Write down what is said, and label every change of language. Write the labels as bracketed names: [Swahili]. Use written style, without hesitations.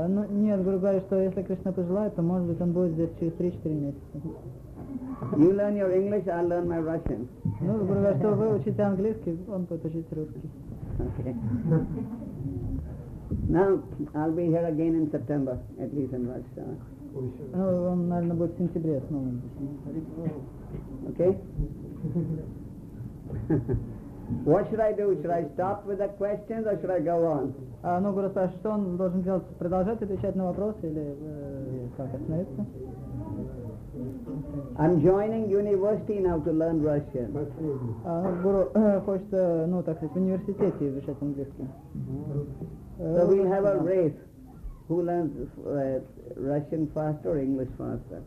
[Russian] Нет, Гуру говорит, что если Кришна пожелает, то может быть он будет здесь через 3-4 месяца. [English] You learn your English, I'll learn my Russian. [Russian] Гуру говорит, что вы учите английский, он будет учить русский. [English] Okay. Now, I'll be here again in September, at least in Russia. [Russian] Он, наверное, будет в сентябре снова. [English] Okay? What should I do? Should I stop with the questions or should I go on? [Russian] Гуру спрашивает, что он должен делать? Продолжать отвечать на вопросы или как остановиться? [English] I'm joining university now to learn Russian. [Russian] Guru хочет, ну так сказать, в университете изучать английский. [English] So we'll have a race. Who learns Russian faster or English faster?